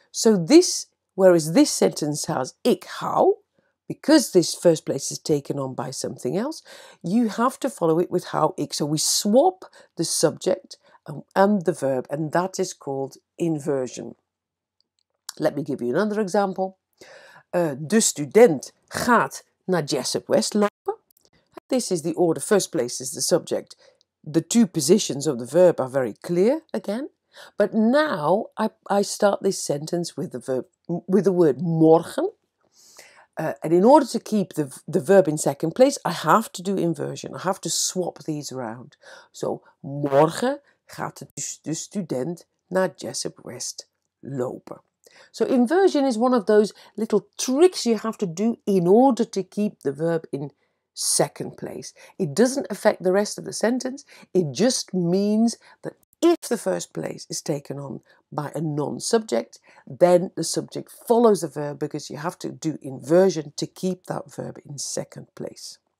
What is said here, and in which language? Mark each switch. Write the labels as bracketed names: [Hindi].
[English] So this, whereas this sentence has [Dutch] ik hou, [English] because this first place is taken on by something else, you have to follow it with [Dutch] hou ik. [English] So we swap the subject and the verb, and that is called inversion. Let me give you another example. [Dutch] De student gaat naar Jessup West lopen. [English] This is the order. First place is the subject. The two positions of the verb are very clear again. But now I start this sentence with the verb with the word morgen. And in order to keep the verb in second place, I have to do inversion. I have to swap these around. So [Dutch] morgen gaat de student naar Jessup West lopen. [English] So inversion is one of those little tricks you have to do in order to keep the verb in second place. It doesn't affect the rest of the sentence. It just means that if the first place is taken on by a non-subject, then the subject follows the verb because you have to do inversion to keep that verb in second place.